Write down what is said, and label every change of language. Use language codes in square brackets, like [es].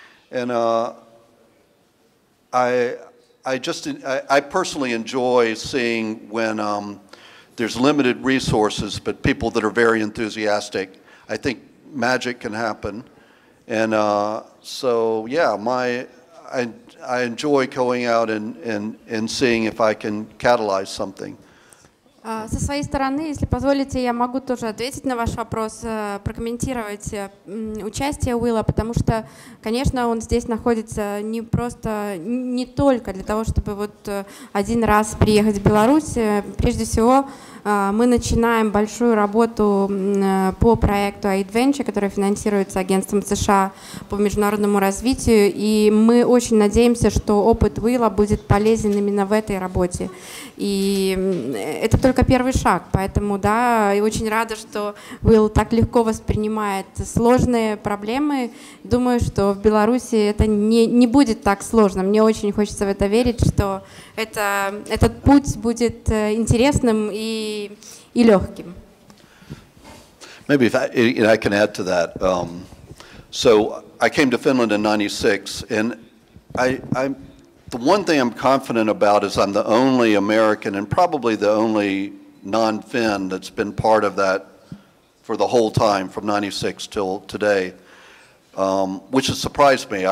[en] And I personally enjoy seeing when there's limited resources, but people that are very enthusiastic. I think magic can happen. And I enjoy going out and seeing if I can catalyze something. [ru] Со своей стороны, если позволите, я могу тоже ответить на ваш вопрос, прокомментировать участие Уилла, потому что, конечно, он здесь находится не только для того, чтобы вот один раз приехать в Беларусь. Прежде всего, мы начинаем большую работу по проекту AID Venture, который финансируется агентством США по международному развитию, и мы очень надеемся, что опыт Уилла будет полезен именно в этой работе. И это только первый шаг, поэтому, да, я очень рада, что Уилл так легко воспринимает сложные проблемы. Думаю, что в Беларуси это не будет так сложно. Мне очень хочется в это верить, что этот путь будет интересным и легким. [en] Maybe if I can add to that. So I came to Finland in 96, and the one thing I'm confident about is I'm the only American and probably the only non-Finn that's been part of that for the whole time from 96 till today, which has surprised me.